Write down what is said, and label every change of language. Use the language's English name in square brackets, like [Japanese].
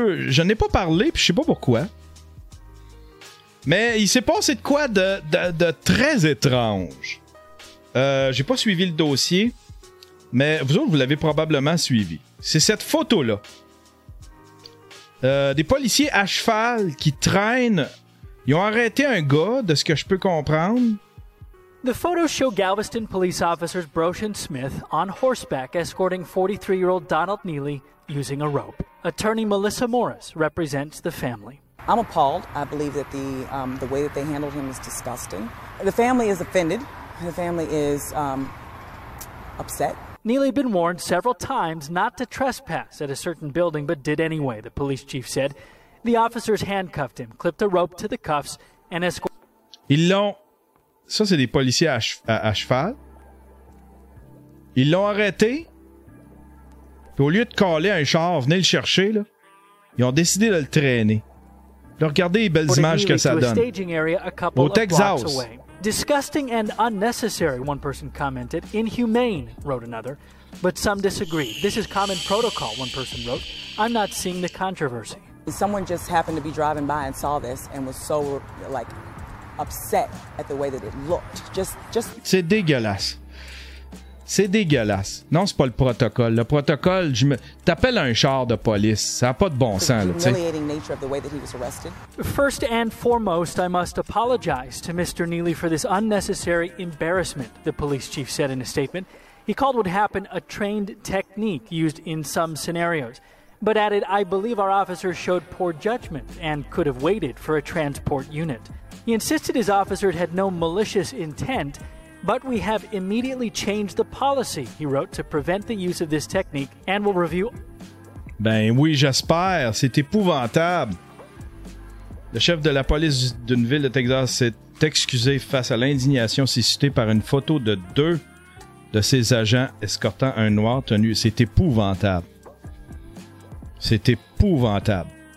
[French] Je n'en ai pas parlé, puis je sais pas pourquoi. Mais il s'est passé de quoi de très étrange. J'ai pas suivi le dossier, mais vous autres, vous l'avez probablement suivi. C'est cette photo-là. Des policiers à cheval qui traînent... Ils ont arrêté un gars, de ce que je peux comprendre... [English] The photos show Galveston police officers Broche and Smith on horseback escorting 43-year-old Donald Neely using a rope. Attorney Melissa Morris represents the family. I'm appalled. I believe that the way that they handled him is disgusting. The family is offended. The family is upset. Neely had been warned several times not to trespass at a certain building, but did anyway, the police chief said. The officers handcuffed him, clipped a rope to the cuffs, and escorted... [French] Ça, c'est des policiers à cheval. Ils l'ont arrêté. Puis au lieu de caler un char, venez le chercher, là, ils ont décidé de le traîner. Là, regardez les belles images que ça donne. Au Texas. [English] Disgusting and unnecessary, one person commented. Inhumane, wrote another. But some disagree. This is common protocol, one person wrote. I'm not seeing the controversy. Someone just happened to be driving by and saw this and was so, like... upset at the way that it looked. Just [French] C'est dégueulasse. C'est dégueulasse. Non, c'est pas le protocole. Le protocole, t'appelles un char de police. Ça a pas de bon sens, là, t'sais. [English] Humiliating nature of the way that he was arrested. First and foremost, I must apologize to Mr. Neely for this unnecessary embarrassment, the police chief said in a statement. He called what happened a trained technique used in some scenarios, but added, I believe our officers showed poor judgment and could have waited for a transport unit. He insisted his officers had no malicious intent, but we have immediately changed the policy, he wrote, to prevent the use of this technique, and will review... [French] Ben oui, j'espère. C'est épouvantable. Le chef de la police d'une ville de Texas s'est excusé face à l'indignation suscitée par une photo de deux de ses agents escortant un noir tenu. C'est épouvantable. C'est épouvantable.